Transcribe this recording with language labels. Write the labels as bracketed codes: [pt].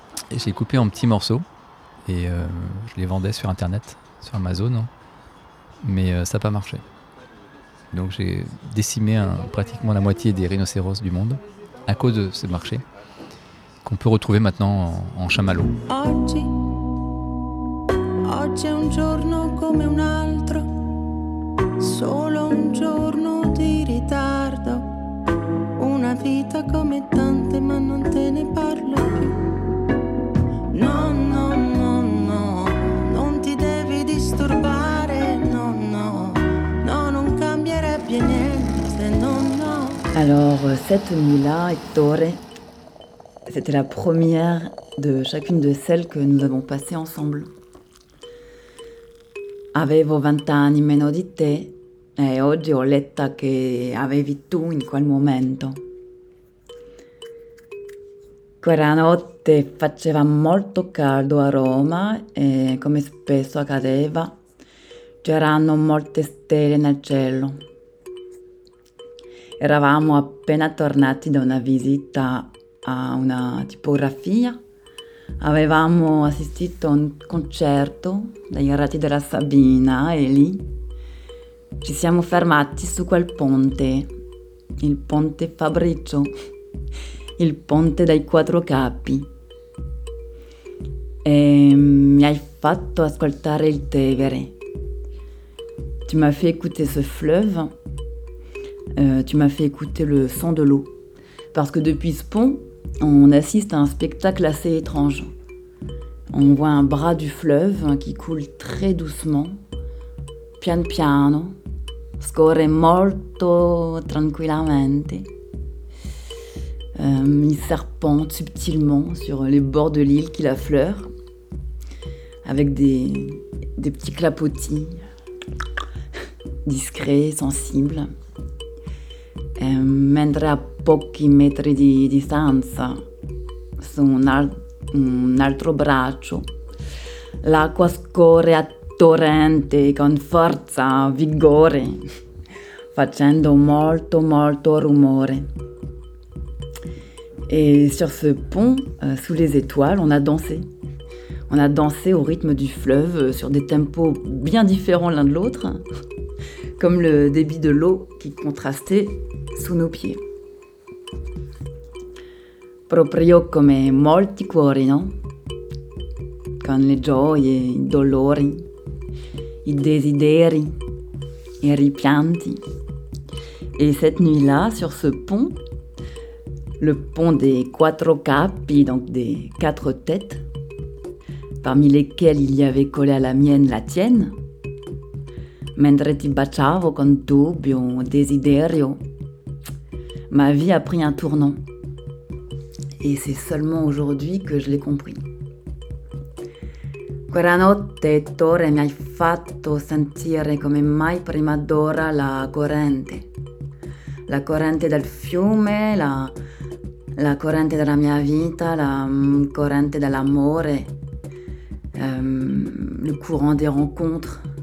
[fr] Et j'ai coupé en petits morceaux, et je les vendais sur Internet, sur Amazon. Mais ça n'a pas marché. Donc j'ai décimé pratiquement la moitié des rhinocéros du monde, à cause de ce marché. Qu'on peut retrouver maintenant en chamallow. [it] Oggi è un giorno come un altro, solo un giorno di ritardo, una vita come tante, ma non te ne parlo più. No, no, no, no, non ti devi disturbare, no, no, no, non cambierebbe niente, no, no. [fr] Allora, cette nuit-là, Ettore. C'était la première de chacune de celles que nous avons passées ensemble. [it] Avevo 20 anni meno di te, e oggi ho letto che avevi tu in quel momento. Quella notte faceva molto caldo a Roma e, come spesso accadeva, c'erano molte stelle nel cielo. Eravamo appena tornati da una visita a una tipografia. Avevamo assistito a un concerto dei Rati della Sabina e lì ci siamo fermati su quel ponte, il ponte Fabricio, il ponte dei quattro capi. E mi hai fatto ascoltare il Tevere. [fr] Tu m'as fait écouter ce fleuve, tu m'as fait écouter le son de l'eau. Parce que depuis ce pont, on assiste à un spectacle assez étrange. On voit un bras du fleuve qui coule très doucement, [it] pian piano, scorre molto tranquillamente. [fr] Il serpente subtilement sur les bords de l'île qui l'affleure, avec des petits clapotis. [it] Discret, sensibile. Mentre a pochi metri di distanza, su un altro braccio, l'acqua scorre a torrente con forza, vigore, facendo molto, molto rumore. [fr] E sur ce pont, sous les étoiles, on a dansé. On a dansé au rythme du fleuve, sur des tempos bien différents l'un de l'autre. Comme le débit de l'eau qui contrastait sous nos pieds. [it] Proprio come molti cuori, no? Con le gioie, i dolori, i desideri, i ripianti. [fr] Et cette nuit-là, sur ce pont, le pont des quattro capi, donc des quatre têtes, parmi lesquelles il y avait collé à la mienne la tienne, [it] mentre ti baciavo con dubbio, desiderio, [fr] ma vie a pris un tournant. Et c'est seulement aujourd'hui que je l'ai compris. [it] Quella notte, Tore, mi hai fatto sentire come mai prima d'ora la corrente. La corrente del fiume, la corrente della mia vita, la corrente dell'amore, [fr] le courant des rencontres.